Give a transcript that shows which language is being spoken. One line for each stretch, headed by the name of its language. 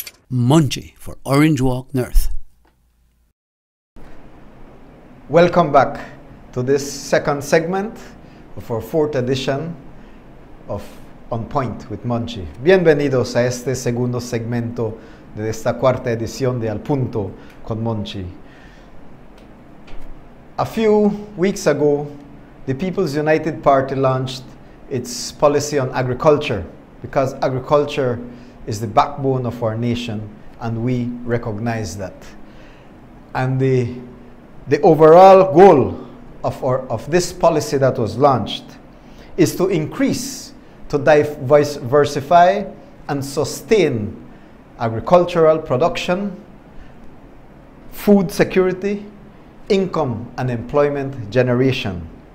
English: Munchie for Orange Walk North. Welcome back to this second segment of our 4th edition of On Point with Munchie.
Spanish: Bienvenidos a este segundo segmento de esta cuarta edición de Al Punto con Munchie.
English: A few weeks ago, the People's United Party launched its policy on agriculture because agriculture is the backbone of our nation, and we recognize that. And the overall goal of this policy that was launched is to increase, to diversify and sustain agricultural production, food security, income and employment generation.